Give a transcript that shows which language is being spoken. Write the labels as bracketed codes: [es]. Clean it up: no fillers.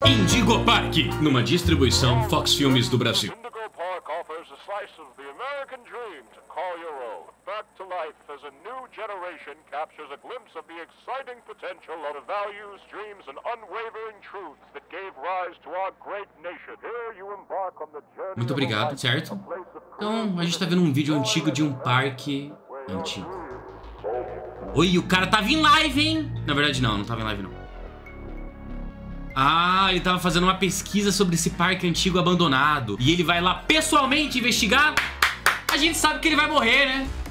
[pt] Indigo Park, numa distribuição Fox Filmes do Brasil. [en] Indigo Park offers a slice of the American dream to call your own. Back to life as a new generation captures a glimpse of the exciting potential of the values, dreams and unwavering truths that gave rise to our great nation. Here you embark on the journey. [pt] Muito obrigado, certo? Então, a gente tá vendo um vídeo antigo de um parque antigo. Oi, o cara tava em live, hein? Na verdade, não, não tava em live, não. Ah, ele tava fazendo uma pesquisa sobre esse parque antigo abandonado. E ele vai lá pessoalmente investigar. A gente sabe que ele vai morrer, né?